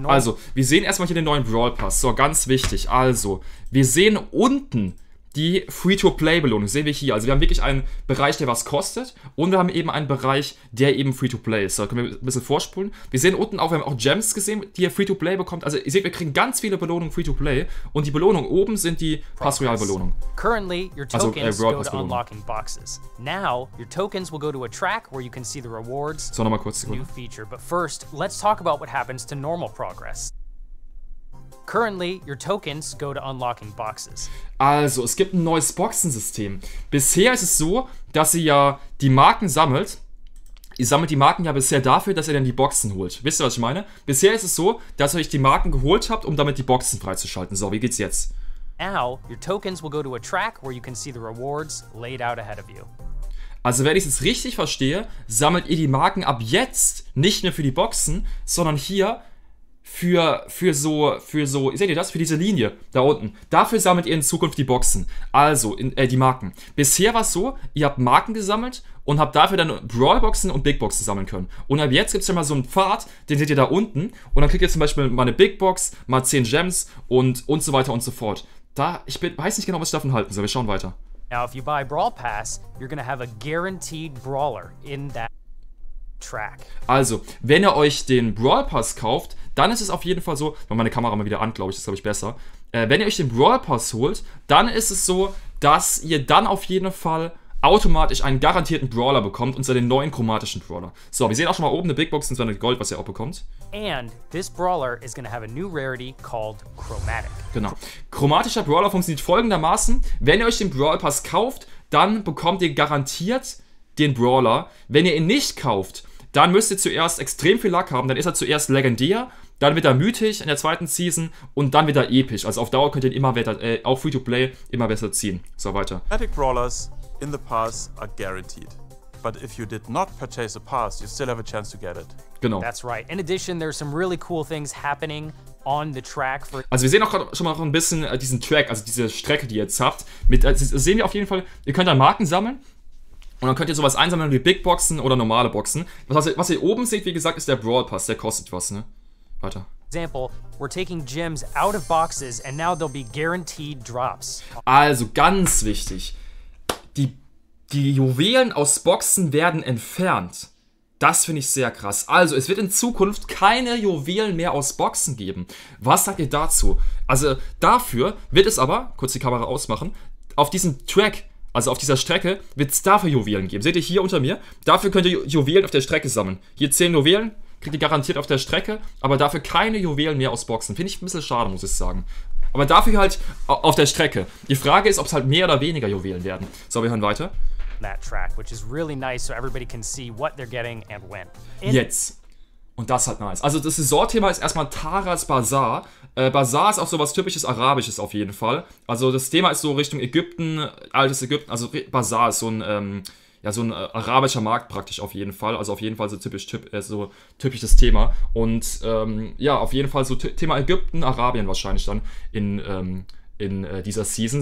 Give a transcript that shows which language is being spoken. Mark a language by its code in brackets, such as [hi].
[de] also, wir sehen erstmal hier den neuen Brawl Pass. So, ganz wichtig. Also, wir sehen unten die Free-to-Play-Belohnung. Sehen wir hier. Also, wir haben wirklich einen Bereich, der was kostet. Und wir haben eben einen Bereich, der eben Free-to-Play ist. So, können wir ein bisschen vorspulen. Wir sehen unten auch, wir haben auch Gems gesehen, die ihr Free-to-Play bekommt. Also, ihr seht, wir kriegen ganz viele Belohnungen Free-to-Play. Und die Belohnungen oben sind die Pass-Royal-Belohnungen. [en] Currently, your tokens also, go to unlocking boxes. Now, your tokens will go to a track where you can see the rewards. [de] So, nochmal kurz. [en] New feature. But first, let's talk about what happens to normal progress. Currently, your tokens go to unlocking boxes. [de] Also, es gibt ein neues Boxensystem. Bisher ist es so, dass ihr ja die Marken sammelt. Ihr sammelt die Marken ja bisher dafür, dass ihr dann die Boxen holt. Wisst ihr, was ich meine? Bisher ist es so, dass ihr euch die Marken geholt habt, um damit die Boxen freizuschalten. So, wie geht's jetzt? [en] Now, your tokens will go to a track where you can see the rewards laid out ahead of you. [de] Also, wenn ich es jetzt richtig verstehe, sammelt ihr die Marken ab jetzt nicht mehr für die Boxen, sondern hier für so, seht ihr das? Für diese Linie da unten. Dafür sammelt ihr in Zukunft die Boxen. Also, die Marken. Bisher war es so, ihr habt Marken gesammelt und habt dafür dann Brawlboxen und Bigboxen sammeln können. Und ab jetzt gibt es ja mal so einen Pfad, den seht ihr da unten. Und dann kriegt ihr zum Beispiel mal eine Bigbox, mal 10 Gems und so weiter und so fort. Ich weiß nicht genau, was ich davon halten soll. Wir schauen weiter. [en] Now, if you buy Brawl Pass, you're gonna have a guaranteed Brawler in that track. [de] Also, wenn ihr euch den Brawl Pass kauft, dann ist es auf jeden Fall so, wenn meine Kamera mal wieder an, glaube ich, das glaube ich besser. Wenn ihr euch den Brawl Pass holt, dann ist es so, dass ihr dann auf jeden Fall automatisch einen garantierten Brawler bekommt und zwar den neuen chromatischen Brawler. So, wir sehen auch schon mal oben eine Big Box und zwar eine Gold, was ihr auch bekommt. [en] And this Brawler is gonna have a new rarity called Chromatic. [de] Genau. Chromatischer Brawler funktioniert folgendermaßen: Wenn ihr euch den Brawl Pass kauft, dann bekommt ihr garantiert den Brawler. Wenn ihr ihn nicht kauft, dann müsst ihr zuerst extrem viel Luck haben, dann ist er zuerst legendär, dann wird er mythisch in der zweiten Season und dann wird er episch. Also auf Dauer könnt ihr ihn immer weiter, auch Free-to-Play, immer besser ziehen. So, weiter. [en] Chromatic Brawlers in the pass are guaranteed. But if you did not purchase a pass, you still have a chance to get it. [de] Genau. [en] That's right. In addition, there are some really cool things happening on the track. [de] Also wir sehen auch schon mal ein bisschen diesen Track, also diese Strecke, die ihr jetzt habt. Sehen wir auf jeden Fall, ihr könnt dann Marken sammeln. Und dann könnt ihr sowas einsammeln wie Big Boxen oder normale Boxen. Was ihr oben seht, wie gesagt, ist der Brawl Pass. Der kostet was, ne? Weiter. [en] Example, we're taking gems out of boxes and now they'll be guaranteed drops. [de] Also ganz wichtig. Die Juwelen aus Boxen werden entfernt. Das finde ich sehr krass. Also es wird in Zukunft keine Juwelen mehr aus Boxen geben. Was sagt ihr dazu? Also dafür wird es aber, kurz die Kamera ausmachen, auf diesem Track. Also auf dieser Strecke wird es dafür Juwelen geben. Seht ihr hier unter mir? Dafür könnt ihr Juwelen auf der Strecke sammeln. Hier 10 Juwelen kriegt ihr garantiert auf der Strecke, aber dafür keine Juwelen mehr aus Boxen. Finde ich ein bisschen schade, muss ich sagen. Aber dafür halt auf der Strecke. Die Frage ist, ob es halt mehr oder weniger Juwelen werden. So, wir hören weiter. [en] That track, which is really nice, so everybody can see what they're getting and when. [de] Jetzt. Und das ist halt nice. Also das Saisonthema ist erstmal Taras Bazaar. Bazaar ist auch so was typisches Arabisches auf jeden Fall. Also das Thema ist so Richtung Ägypten, altes Ägypten. Also Bazaar ist so ein, ja, so ein arabischer Markt praktisch auf jeden Fall. Also auf jeden Fall so typisches Thema. Und ja, auf jeden Fall so Thema Ägypten, Arabien wahrscheinlich dann in dieser Season.